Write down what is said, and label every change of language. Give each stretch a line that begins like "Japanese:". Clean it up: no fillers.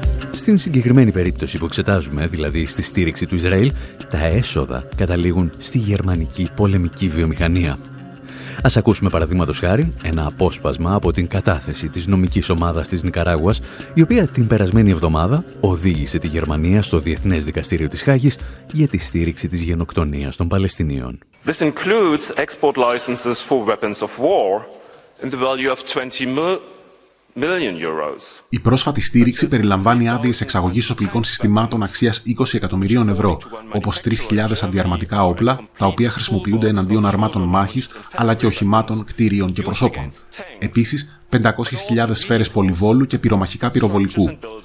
Greek: Στην συγκεκριμένη περίπτωση που εξετάζουμε, δηλαδή στη στήριξη του Ισραήλ, τα έσοδα καταλήγουν στη γερμανική πολεμική βιομηχανία. Ας ακούσουμε παραδείγματος χάρη ένα απόσπασμα από την κατάθεση της νομικής ομάδας της Νικαράγουας, η οποία την περασμένη εβδομάδα οδήγησε τη Γερμανία στο Διεθνές Δικαστήριο της Χάγης για τη στήριξη της γενοκτονίας των Παλαιστινίων.
English: This includes export licenses for weapons of war in the value of 20 million euros.
Greek: Η πρόσφατη στήριξη περιλαμβάνει άδειες εξαγωγής οπλικών συστημάτων αξίας 20 εκατομμυρίων ευρώ, όπως 3.000 αντιαρματικά όπλα, τα οποία χρησιμοποιούνται εναντίον αρμάτων μάχης, αλλά και οχημάτων, κτηρίων και προσώπων. Επίσης, 500.000 σφαίρες πολυβόλου και πυρομαχικά πυροβολικού.